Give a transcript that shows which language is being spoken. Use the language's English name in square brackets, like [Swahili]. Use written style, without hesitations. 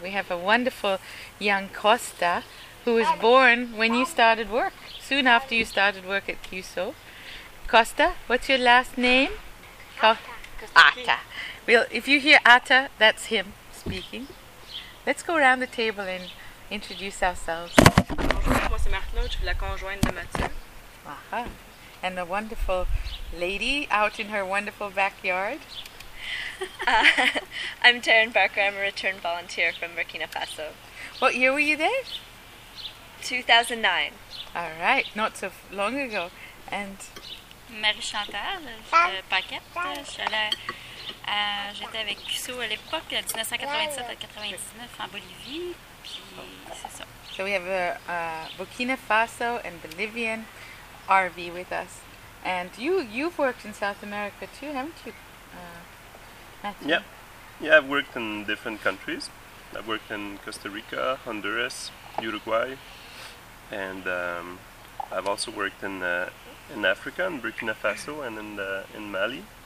[English] We have a wonderful young Costa, who was born when you started work, soon after you started work at CUSO. Costa, what's your last name? Atta. Well, if you hear Atta, that's him speaking. Let's go around the table and introduce ourselves. [French] Bonjour, moi c'est Martin, je suis la conjointe de Mathieu. [English] And a wonderful lady out in her wonderful backyard. I'm Taryn Barker, I'm a return volunteer from Burkina Faso. What year were you there? 2009. All right, not so long ago. And [French] Marie Chantal Paquette, j'étais avec CUSO à l'époque, 1987 à 1999 en Bolivie, puis c'est ça. [English] So we have a Burkina Faso and Bolivian RV with us. And you've worked in South America too, haven't you, Matthew? Yeah, I've worked in different countries. I've worked in Costa Rica, Honduras, Uruguay, and I've also worked in Africa, in Burkina Faso, and in Mali.